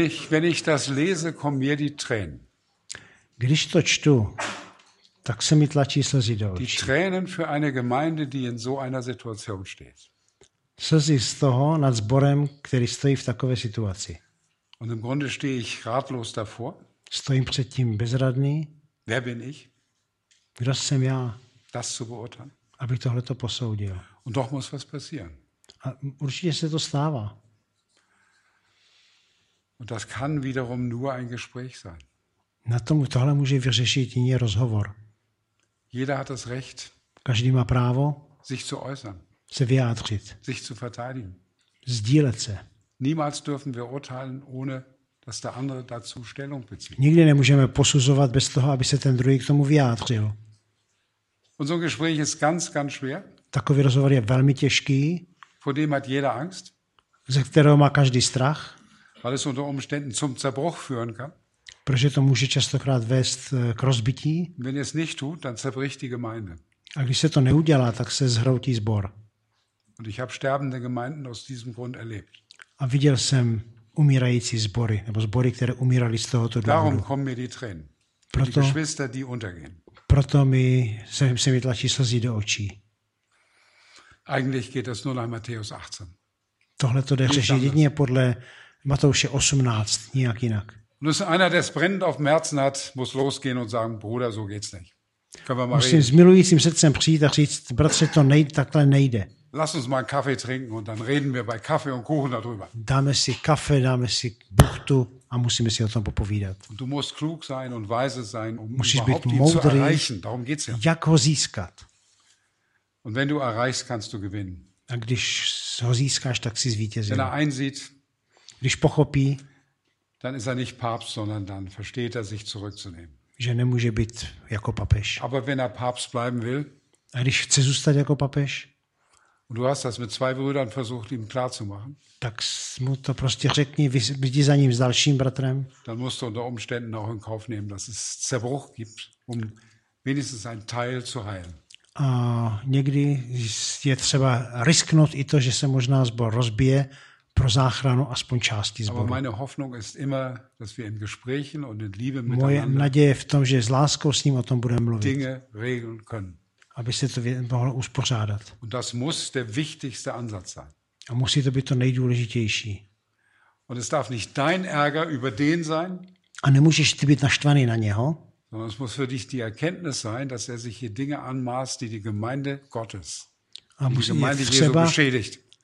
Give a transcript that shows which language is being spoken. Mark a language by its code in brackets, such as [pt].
[de] Wenn ich das lese, kommen mir die Tränen. [cs] Když to čtu, tak se mi tlačí slzy do očí. [de] Die Tränen für eine Gemeinde, die in so einer Situation steht. [cs] Slzy z toho nad sborem, který stojí v takové situaci. [de] Und im Grunde stehe ich ratlos davor. [cs] Stojím před tím bezradný. [de] Wer bin ich? [cs] Kdo jsem já? [de] Das zu beurteilen. [cs] Abych tohle to posoudil. [de] Und doch muss was passieren. [cs] A určitě se to stává. [de] Und das kann wiederum nur ein Gespräch sein. [cs] Na tom, tohle může vyřešit jiný rozhovor. [de] Jeder hat das Recht, [cs] každý má právo [de] sich zu äußern, [cs] se vyjádřit, [de] sich zu verteidigen, [cs] sdílet se. [de] Niemals dürfen wir urteilen, ohne dass der andere dazu Stellung bezieht. [cs] Nikdy nemůžeme posuzovat bez toho, aby se ten druhý k tomu vyjádřil. [de] Und so ein Gespräch ist ganz, ganz schwer. [cs] Takový rozhovor je velmi těžký. [de] Vor dem hat jeder Angst. [cs] Ze kterého má každý strach. [de] Weil es unter Umständen zum Zerbruch führen kann. [cs] Protože to může častokrát vést k rozbití. [de] Wenn es nicht tut, dann zerbricht die Gemeinde. [cs] A když se to neudělá, tak se zhroutí sbor. [de] Und ich habe sterbende Gemeinden aus diesem Grund erlebt. [cs] A viděl jsem umírající sbory, nebo sbory, které umírali z tohoto důvodu. [de] Darum kommen mir die Tränen. [cs] Proto, [de] die Geschwister, die untergehen. [cs] Proto mi se mi tlačí slzy do očí. [de] Eigentlich geht das nur nach Matthäus 18. [cs] Tohle to jde řešit jedině podle Matouše 18, nijak jinak. [de] Und es einer, der es brennend auf dem Herzen hat, muss losgehen und sagen, Bruder, so geht's nicht. Können wir mal reden. [cs] S milujícím srdcem přijít a říct, bratře, to nejde, takhle nejde. [de] Lass uns mal einen Kaffee trinken und dann reden wir bei Kaffee und Kuchen darüber. [cs] Dáme si kafe, dáme si buchtu a musíme si o tom popovídat. [de] Du musst klug sein und weise sein, um [cs] musíš [de] überhaupt [cs] být moudrý, [de] zu erreichen. Darum geht's ja. [cs] Jak ho získat. [de] Und wenn du erreichst, kannst du gewinnen. [cs] A když ho získáš, tak si zvítězil. [de] Wenn er einsieht, [cs] když pochopí, [de] dann ist er nicht Papst, sondern dann versteht er sich zurückzunehmen. [cs] Že nemůže být jako papež. [de] Aber wenn er Papst bleiben will, [cs] a když chce zůstat jako papež, [de] und du hast das mit zwei Brüdern versucht, ihm klar zu machen, [cs] tak mu to prostě řekni, jdi za ním s dalším bratrem, [de] dann musst du unter Umständen auch in Kauf nehmen, dass es Zerbruch gibt, um wenigstens ein Teil zu heilen. [cs] A někdy je třeba risknout i to, že se možná zbor rozbije, pro záchranu aspoň části zboru. [de] Aber meine Hoffnung ist immer, dass wir in Gesprächen und in Liebe miteinander. [cs] Moje naděje v tom, že s láskou s ním o tom budeme mluvit. [de] Dinge regeln können. [cs] Aby se to mohlo uspořádat. [de] Und das muss der wichtigste Ansatz sein. [cs] A musí to být to nejdůležitější. [de] Und es darf nicht dein Ärger über den sein. [cs] A nemůžeš ty být naštvaný na něho. [de] Sondern es muss für dich die Erkenntnis sein, dass er sich hier Dinge anmaßt, die die Gemeinde Gottes, die Gemeinde Jesu beschädigt.